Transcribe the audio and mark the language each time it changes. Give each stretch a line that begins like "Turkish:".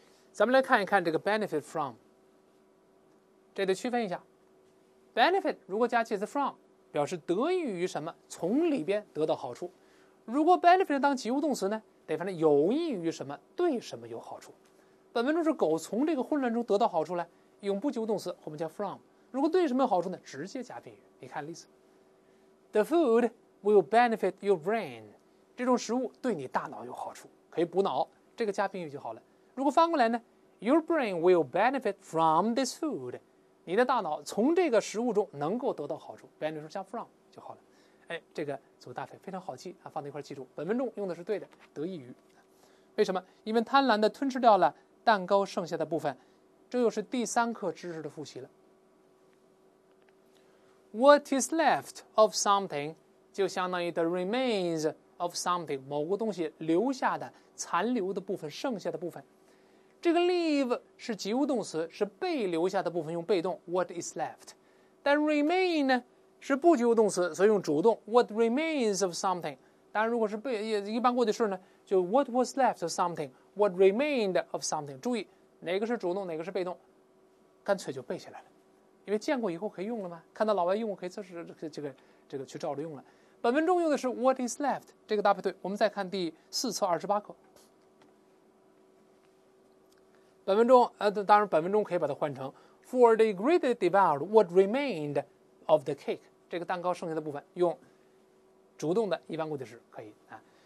Chinese: 咱们来看一看这个
English: benefit from，
Chinese: 这得区分一下。benefit 如果加介词 from，表示得益于什么，从里边得到好处。如果 benefit 当及物动词呢，得翻译有益于什么，对什么有好处。本文中是狗从这个混乱中得到好处呢，用不及物动词，后面加 from。如果对什么有好处呢，直接加宾语。
English: 你看例子 ，The food will benefit your brain。
Chinese: 这种食物对你大脑有好处，可以补脑，这个加宾语就好了。
English: 如果翻过来呢 ，Your brain will benefit from this food。
Chinese: 你的大脑从这个食物中能够得到好处 ，benefit 加 from 就好了。哎，这个组搭配非常好记啊，放在一块记住。本文中用的是对的，得益于。为什么？因为贪婪的吞吃掉了蛋糕剩下的部分，这又是第三课知识的复习了。
English: What is left of something
Chinese: 就相当于
English: the remains of something，
Chinese: 某个东西留下的残留的部分，剩下的部分。这个 leave 是及物动词，是被留下的部分，用被动
English: what is left。
Chinese: 但 remain 呢是不及物动词，所以用主动
English: what remains of something。
Chinese: 当然如果是被一般过去式呢，就
English: what was left of something， what remained of something。
Chinese: 注意哪个是主动哪个是被动，干脆就背下来了，因为见过以后可以用了吗，看到老外用我可以这个去照着用了。本文中用的是
English: what is left
Chinese: 这个搭配对。我们再看第四册28课，本文中当然本文中可以把它换成
English: for the greater devoured what remained of the cake，
Chinese: 这个蛋糕剩下的部分用主动的一般固定式可以啊。